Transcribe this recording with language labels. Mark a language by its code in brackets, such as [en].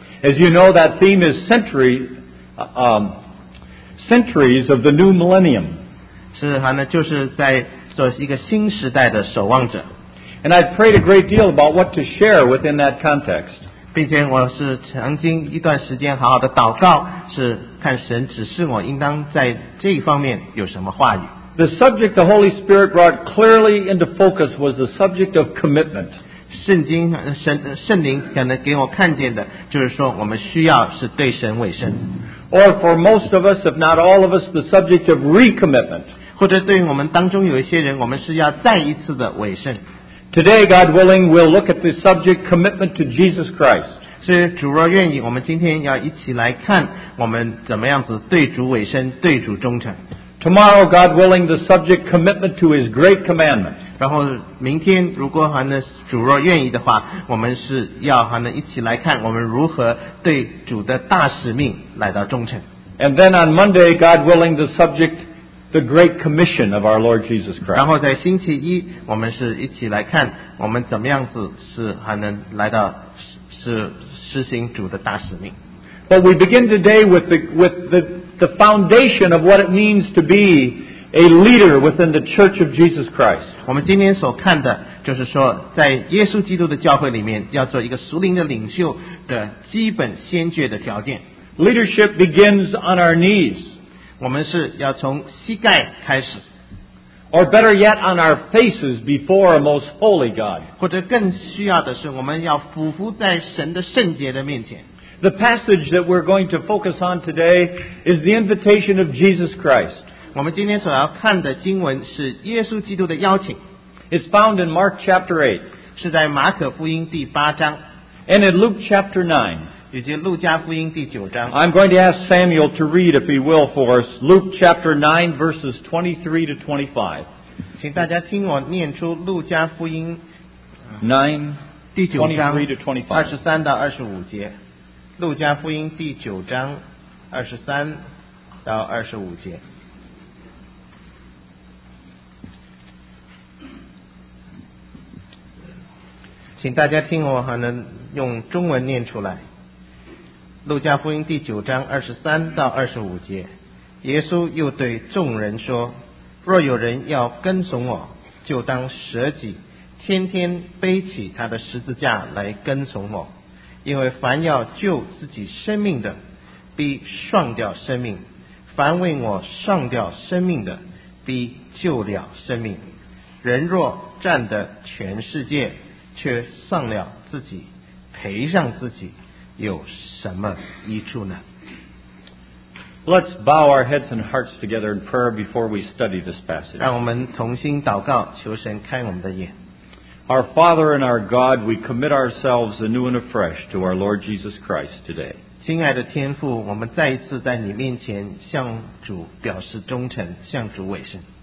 [en] As you know, that theme is centuries of the new millennium. [zh] 是还呢，就是在做一个新时代的守望者。 [en] And I've prayed a great deal about what to share within that context. [zh] 并且我是曾经一段时间好好的祷告，是看神指示我应当在这一方面有什么话语。 [en] The subject the Holy Spirit brought clearly into focus was the subject of commitment. [zh] 圣灵可能给我看见的就是说我们需要是对神委身。 [en] Or for most of us, if not all of us, the subject of recommitment. [zh] 或者对于我们当中有一些人，我们是要再一次的委身。 [en] Today, God willing, we'll look at the subject commitment to Jesus Christ. [zh] 是主若愿意，我们今天要一起来看我们怎么样子对主委身，对主忠诚。 [en] Tomorrow, God willing, the subject commitment to His great commandment. [zh] 然后明天，如果还能主若愿意的话，我们是要还能一起来看我们如何对主的大使命来到忠诚。 [en] And then on Monday, God willing, the subject the great commission of our Lord Jesus Christ. [zh] 然后在星期一，我们是一起来看我们怎么样子是还能来到是施行主的大使命。 [en] But we begin today with the foundation of what it means to be a leader within the Church of Jesus Christ. [zh] 我们今天所看的就是说，在耶稣基督的教会里面，要做一个属灵的领袖的基本先决的条件。 [en] Leadership begins on our knees. [zh] 我们是要从膝盖开始。 [en] Or better yet, on our faces before a most holy God. [zh] 或者更需要的是，我们要俯伏在神的圣洁的面前。 [en] The passage that we're going to focus on today is the invitation of Jesus Christ. [zh] 我们今天所要看的经文是耶稣基督的邀请。 [en] It's found in Mark chapter 8. [zh] 是在马可福音第八章。 [en] And in Luke chapter 9. [zh] 以及路加福音第九章。 [en] I'm going to ask Samuel to read, if he will, for us, Luke chapter 9, verses 23 to 25. [zh] 请大家听我念出路加福音 9, 第九章 23 to 25. 23到25节。路加福音第九章二十三到二十五节。请大家听我还能用中文念出来。路加福音第九章二十三到二十五节。耶稣又对众人说，若有人要跟从我，就当舍己，天天背起他的十字架来跟从我。因为凡要救自己生命的，必丧掉生命； 凡为我上吊生命的，必救了生命。人若占得全世界，却丧了自己，赔上自己，有什么益处呢？ [en] Let's bow our heads and hearts together in prayer before we study this passage. [zh] 让我们同心祷告，求神开我们的眼。 [en] Our Father and our God, we commit ourselves anew and afresh to our Lord Jesus Christ today. [zh] 亲爱的天父，我们再一次在你面前向主表示忠诚，向主委身。